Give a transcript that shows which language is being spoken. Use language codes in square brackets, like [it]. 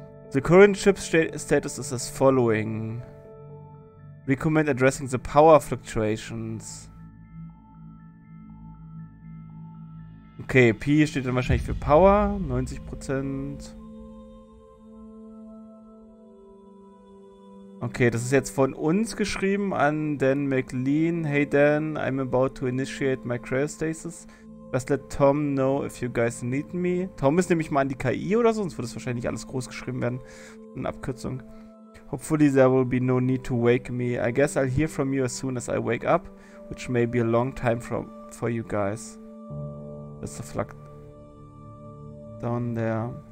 [en] The current ship's status is as following. Recommend addressing the power fluctuations. [de] Okay, P steht dann wahrscheinlich für Power, 90%. Okay, das ist jetzt von uns geschrieben an Dan McLean. [en] Hey Dan, I'm about to initiate my cryostasis. Just let Tom know if you guys need me. [de] Tom ist nämlich mal an die KI oder so, sonst würde es wahrscheinlich alles groß geschrieben werden. Eine Abkürzung. [en] Hopefully there will be no need to wake me. I guess I'll hear from you as soon as I wake up, which may be a long time for you guys. That's the flag down there.